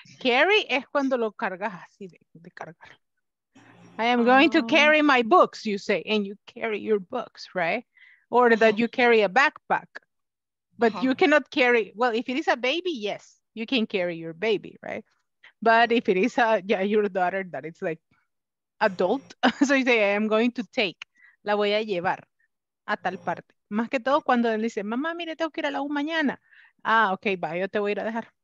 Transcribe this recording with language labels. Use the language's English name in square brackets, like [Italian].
[Spanish] Carry es cuando lo cargas así de cargar. [English] I am going to carry my books, you say, and you carry your books, right? Or that you carry a backpack. But you cannot carry, well, if it is a baby, yes, you can carry your baby, right? But if it is a, yeah, your daughter, that it's like adult. So you say, I am going to take, [Spanish] la voy a llevar a tal parte. Más que todo cuando él dice, mamá, mire, tengo que ir a la U mañana. Ah, okay, bye, yo te voy a ir a dejar.